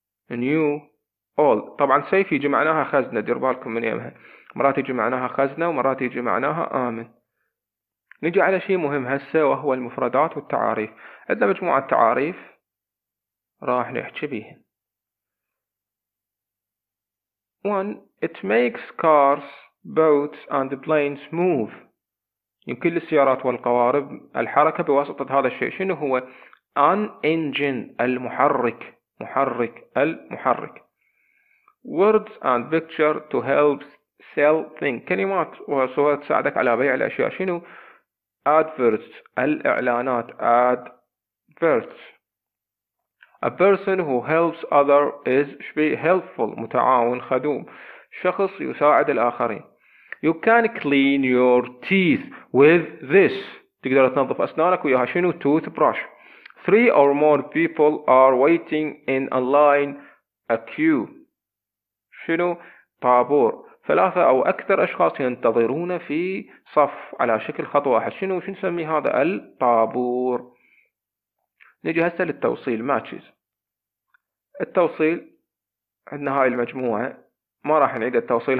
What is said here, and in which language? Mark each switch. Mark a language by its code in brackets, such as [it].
[en] new old. [ar] طبعا safe يجي معناها خزنة دير بالكم من يمها. مرات يجي معناها خزنة ومرات يجي معناها آمن. نجي على شيء مهم هسه وهو المفردات والتعاريف. عندنا مجموعة تعاريف راح نحكي بيها. 1. [en] It makes cars, boats and planes move. [ar] يمكن للسيارات والقوارب الحركة بواسطة هذا الشيء. شنو هو؟ [en] An engine [ar] المحرك. محرك المحرك. [en] Words and picture to help sell things. [ar] كلمات وصور تساعدك على بيع الأشياء. شنو؟ Adverts الإعلانات. [en] Adverts. A person who helps other is helpful [ar] متعاون خدوم. شخص يساعد الآخرين. [en] You can clean your teeth with this. [ar] تقدر تنظف أسنانك وياها. شنو؟ Toothbrush. [en] Three or more people are waiting in a line. A queue. [ar] شنو؟ طابور. ثلاثة أو أكثر أشخاص ينتظرون في صف على شكل خط واحد. شنو نسمي هذا؟ الطابور. نجي هسه للتوصيل. matches التوصيل. عندنا هاي المجموعة ما راح نعيد التوصيل.